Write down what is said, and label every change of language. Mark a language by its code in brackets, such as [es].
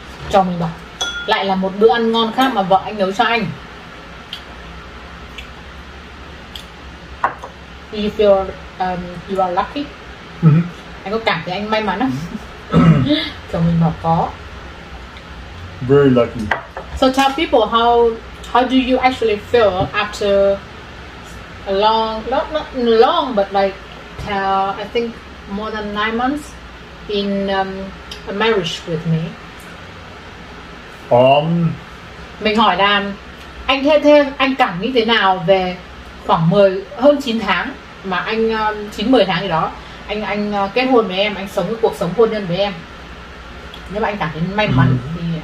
[vi] Chồng mình bảo lại là một bữa ăn ngon khác mà vợ anh nấu cho anh. [en] Do you feel you are lucky? [vi] Anh có cảm thấy anh may mắn không? Chồng mình bảo có. [en] Very lucky. So tell people how do you actually feel after a long, not long, but like I think more than 9 months in a marriage with me. [vi] Mình hỏi là anh thêm anh cảm nghĩ thế nào về khoảng hơn 9 tháng mà anh 9-10 tháng gì đó anh kết hôn với em, anh sống cái cuộc sống hôn nhân với em. Nếu mà anh cảm thấy may mắn thì